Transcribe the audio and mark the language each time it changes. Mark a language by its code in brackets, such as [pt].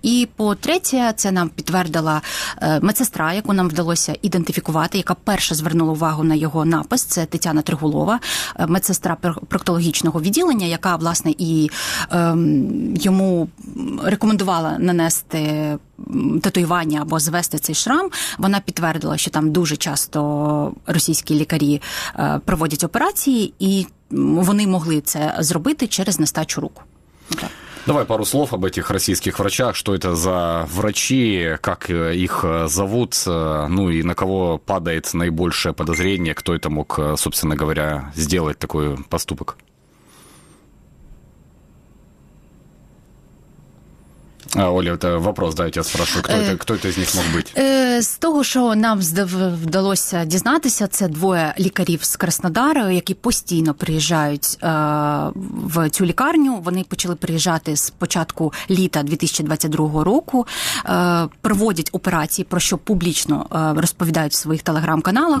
[uk] І по-третє, це нам підтвердила медсестра, яку нам вдалося ідентифікувати, яка перша звернула увагу на його напис, це Тетяна Тригулова, медсестра проктологічного відділення, яка, власне, і йому рекомендувала нанести татуювання або звести цей шрам. Вона підтвердила, що там дуже часто російські лікарі проводять операції, і вони могли це зробити через нестачу рук. [ru] Давай пару слов об этих российских врачах. Что это за врачи, как их зовут, ну и на кого падает наибольшее подозрение, кто это мог, собственно говоря, сделать такой поступок? А, Оля, це вопрос, да, я тебе спрашиваю, хто це з них мог бути? [uk] З того, що нам вдалося дізнатися, це двоє лікарів з Краснодара, які постійно приїжджають в цю лікарню. Вони почали приїжджати з початку літа 2022 року, проводять операції, про що публічно розповідають в своїх телеграм-каналах.